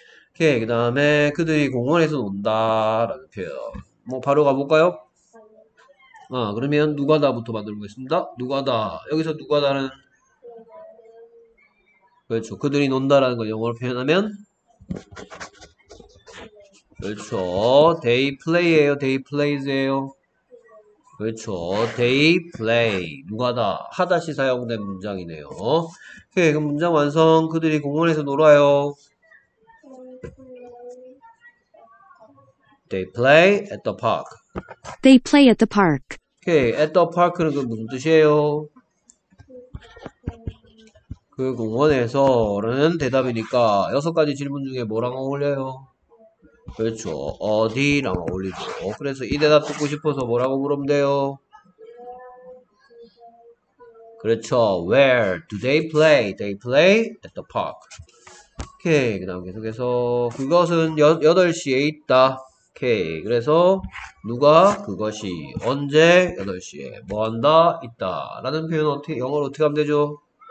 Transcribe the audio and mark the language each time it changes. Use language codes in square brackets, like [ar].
[ko] 오케이, 그 다음에 그들이 공원에서 논다라는 표현. 뭐 바로 가볼까요? 아, 그러면 누가다부터 만들고 있습니다. 누가다. 여기서 누가다는 그렇죠. 그들이 논다라는 걸 영어로 표현하면 그렇죠. [en] They play예요. They plays예요. [ko] 그렇죠. [en] They play. [ko] 누가다. 하다시 사용된 문장이네요. 오케이, 그럼 문장 완성. 그들이 공원에서 놀아요. [en] They play at the park. They play at the park. Okay, at the park는 [ko] 그 무슨 뜻이에요? 그 공원에서라는 대답이니까 여섯 가지 질문 중에 뭐랑 어울려요? 그렇죠. 어디랑 어울리죠. 그래서 이 대답 듣고 싶어서 뭐라고 물으면 돼요? 그렇죠. [en] Where do they play? They play at the park. [ko] 오케이. 그 다음 계속해서, 그것은 8시에 있다. 오케이. 그래서, 누가, 그것이, 언제, 8시에, 뭐 한다, 있다. 라는 표현은 어떻게, 영어로 어떻게 하면 되죠?